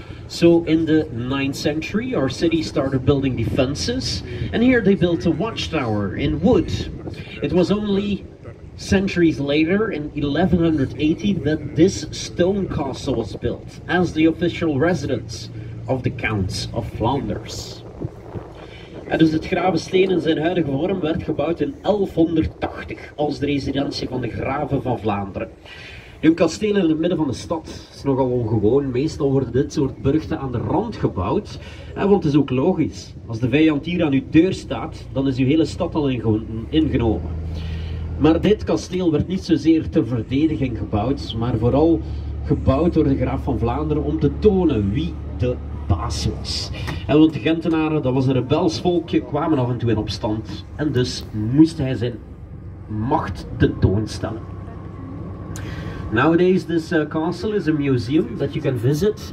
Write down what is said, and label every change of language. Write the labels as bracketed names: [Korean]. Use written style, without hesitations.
[English] So in the 9th century, our city started building defenses, and here they built a watchtower in wood. It was only centuries later, in 1180, that this stone castle was built as the official residence of the Counts of Flanders. [Dutch] En dus het Gravensteen in zijn huidige vorm werd gebouwd in 1180 als de residentie van de graven van Vlaanderen. Nu, een kasteel in het midden van de stad is nogal ongewoon. Meestal worden dit soort burchten aan de rand gebouwd. En want het is ook logisch, als de vijand hier aan uw deur staat, dan is uw hele stad al ingenomen. Maar dit kasteel werd niet zozeer ter verdediging gebouwd, maar vooral gebouwd door de graaf van Vlaanderen om te tonen wie de baas was. En want de Gentenaren, dat was een rebels volkje, kwamen af en toe in opstand. En dus moest hij zijn macht tentoonstellen. [English] Nowadays this castle is a museum that you can visit.